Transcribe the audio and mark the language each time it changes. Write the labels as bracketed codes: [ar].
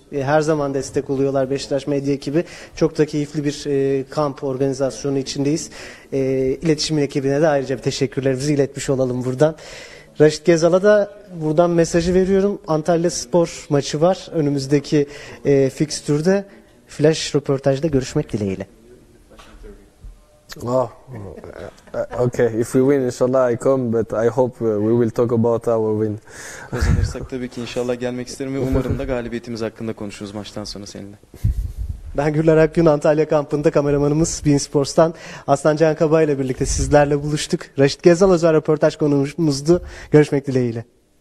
[tr] Her zaman destek oluyorlar Beşiktaş Medya ekibi. Çok da keyifli bir kamp organizasyonu içindeyiz. İletişim ekibine de ayrıca bir teşekkürlerimizi iletmiş olalım buradan. Raşit Gezal'a da buradan mesajı veriyorum. Antalya Spor maçı var önümüzdeki fikstürde. Flash röportajda görüşmek dileğiyle. [en] Oh, okay. If we win, inshallah I come, but I hope we will talk about our win. [tr] Kazanırsak tabii ki inşallah gelmek isterim ve umarım da galibiyetimiz hakkında konuşuruz maçtan sonra seninle. Ben Güller Akgün, Antalya kampında kameramanımız Bein Sports'tan Aslan Can Kaba ile birlikte sizlerle buluştuk. Raşit Gezal özel röportaj konuğumuzdu. Görüşmek dileğiyle.